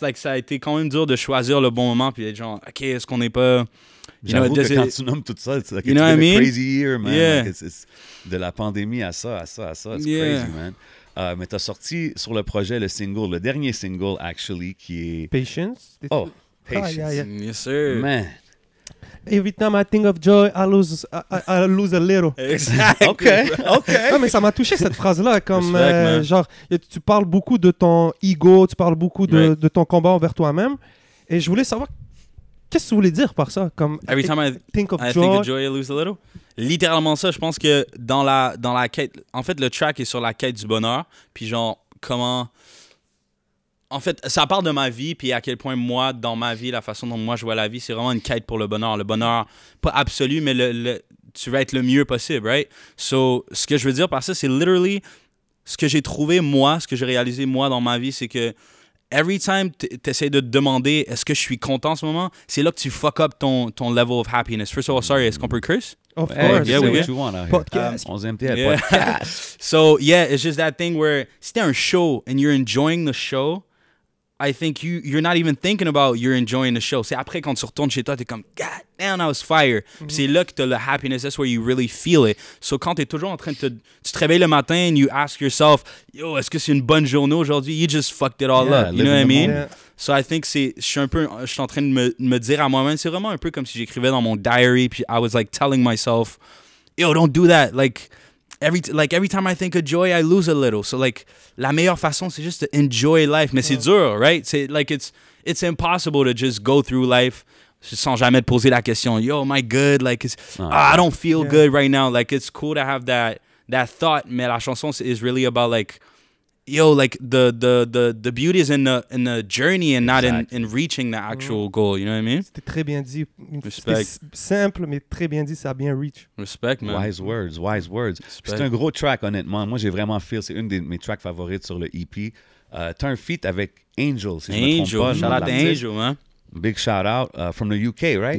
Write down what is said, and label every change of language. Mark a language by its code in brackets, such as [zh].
[fr] Like, ça a été quand même dur de choisir le bon moment. Puis, genre, OK, est-ce qu'on n'est pas... J'avoue que quand tu nommes tout ça, c'est like, [en] it's been a crazy year, man. [fr] Yeah. [en] Like, it's [fr] de la pandémie à ça. [en] It's crazy, man. [fr] Mais t'as sorti sur le projet le single, le dernier single, actually, qui est... Patience. [en] Yes, sir. Man. Every time I think of joy, I lose a little. Exactly. Okay. [fr] Non, mais ça m'a touché cette phrase-là. Comme, tu parles beaucoup de ton ego, tu parles beaucoup de ton combat envers toi-même. Et je voulais savoir, qu'est-ce que tu voulais dire par ça? Comme, [en] Every time I think of joy, I lose a little. [fr] Littéralement ça, je pense que dans la quête... En fait, le track est sur la quête du bonheur. Puis genre, comment... En fait, ça part de ma vie, puis à quel point moi, dans ma vie, la façon dont moi je vois la vie, c'est vraiment une quête pour le bonheur. Le bonheur, pas absolu, mais tu veux être le mieux possible, right? So, ce que je veux dire par ça, c'est literally ce que j'ai trouvé moi, ce que j'ai réalisé moi dans ma vie, c'est que [en] every time [fr] t'essayes de te demander est-ce que je suis content en ce moment, c'est là que tu [en] fuck up [fr] ton [en] level of happiness. First of all, sorry, [fr] est-ce qu'on peut curse? [en] Of course. Yeah, what you want out here. Podcast. On MTL, podcast. So, yeah, it's just that thing where [fr] si t'es un [en] show and you're enjoying the show, I think you're not even thinking about you're enjoying the show. [fr] C'est après quand tu retournes chez toi, t'es comme, [en] God damn, I was fire. Mm-hmm. [fr] C'est là que t'as le happiness, [en] that's where you really feel it. [fr] So quand t'es toujours en train de tu te réveilles le matin [en] and you ask yourself, yo, [fr] est-ce que c'est une bonne journée aujourd'hui? [en] You just fucked it all up. You know what I mean? [fr] Yeah. [en] So I think [fr] je suis en train de me dire à moi-même, c'est vraiment un peu comme si j'écrivais dans mon diary, puis [en] I was like telling myself, yo, don't do that. Like, every time I think of joy, I lose a little. [fr] So, like, la meilleure façon, c'est juste [en] to enjoy life. [fr] Mais c'est dur, [en] right? C'est, like, it's impossible to just go through life [fr] sans jamais te poser la question. [en] Yo, am I good? Like, I don't feel good right now. Like, it's cool to have that thought. [fr] Mais la chanson [en] is really about, like, yo, like, the beauty is in the journey and not in reaching the actual goal. You know what I mean? [fr] C'était très bien dit. Respect. Simple, mais très bien dit. Ça a bien reach. [en] Respect, man. Wise words. [fr] C'est un gros track, honnêtement. Moi, j'ai vraiment feel. C'est une de mes tracks favorites sur le EP. T'as un feat avec Angel, si Angel. Je me trompe pas. [en] Shout out to Angel, man. Big shout out. From the UK, right?